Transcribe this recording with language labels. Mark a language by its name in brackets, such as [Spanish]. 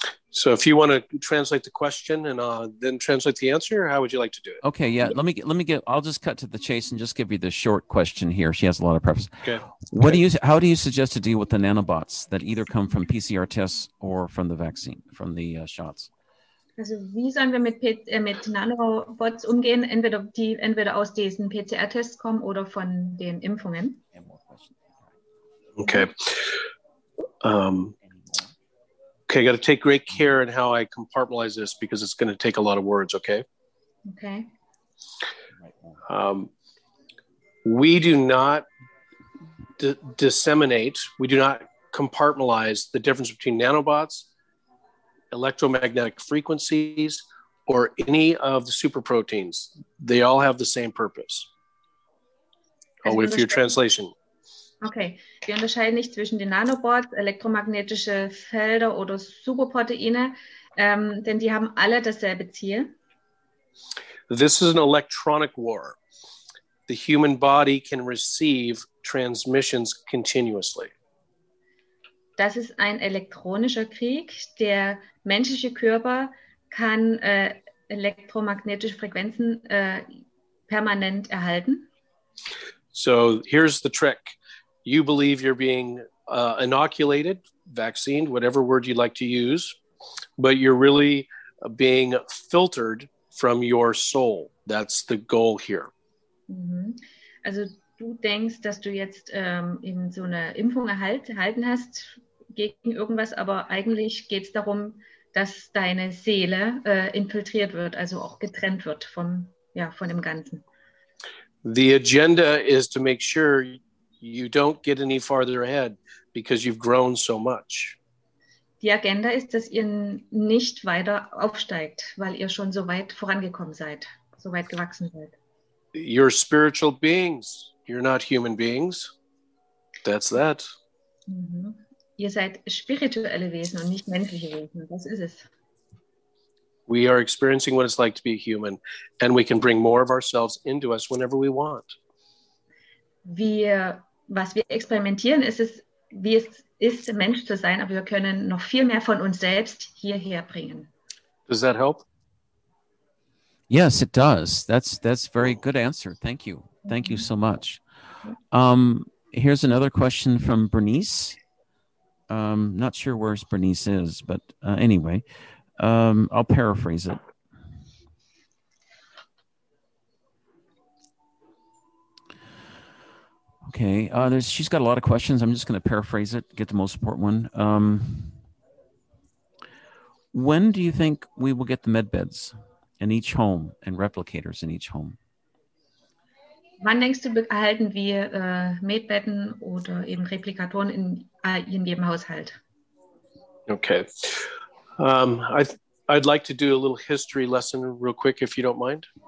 [English] So if you want to translate the question and then translate the answer, how would you like to do it? Okay, yeah. I'll just cut to the chase and just give you the short question here. She has a lot of preface. Okay. How do you suggest to deal with the nanobots that either come from PCR tests or from the vaccine, from the shots? [German] Also, wie sollen wir mit Nanobots umgehen? Entweder aus diesen PCR-Tests kommen oder von den Impfungen? [English] Okay. Okay, I got to take great care in how I compartmentalize this because it's going to take a lot of words, okay? Okay. We do not disseminate, we do not compartmentalize the difference between nanobots, electromagnetic frequencies, or any of the superproteins. They all have the same purpose. I'll wait for your translation. [German] Okay, wir unterscheiden nicht zwischen den Nanobots, elektromagnetische Felder oder Superproteine, denn die haben alle dasselbe Ziel. [English] This is an electronic war. The human body can receive transmissions continuously. [German] Das ist ein elektronischer Krieg. Der menschliche Körper kann elektromagnetische Frequenzen permanent erhalten. [English] So here's the trick. You believe you're being inoculated, vaccinated, whatever word you'd like to use, but you're really being filtered from your soul. That's the goal here. Mm-hmm. [German] Also du denkst, dass du jetzt eben so eine Impfung erhalten hast gegen irgendwas, aber eigentlich geht es darum, dass deine Seele infiltriert wird, also auch getrennt wird von, ja, von dem Ganzen. [English] The agenda is to make sure you don't get any farther ahead because you've grown so much. [German] Die Agenda ist, dass ihr nicht weiter aufsteigt, weil ihr schon so weit vorangekommen seid, so weit gewachsen seid. [English] You're spiritual beings. You're not human beings. That's that. Mm-hmm. [German] Ihr seid spirituelle Wesen und nicht menschliche Wesen. Das ist es. [English] We are experiencing what it's like to be human, and we can bring more of ourselves into us whenever we want. [German] Was wir experimentieren, ist es, wie es ist, Mensch zu sein, aber wir können noch viel mehr von uns selbst hierher bringen. [English] Does that help? Yes, it does. That's very good answer. Thank you. Thank you so much. Here's another question from Bernice. Not sure where Bernice is, but anyway, I'll paraphrase it. Okay, she's got a lot of questions. I'm just going to paraphrase it, get the most important one. When do you think we will get the med beds in each home and replicators in each home? [German] Wann denkst du, erhalten wir Medbetten oder eben Replikatoren in jedem Haushalt? [English] Okay. I'd like to do a little history lesson real quick, if you don't mind.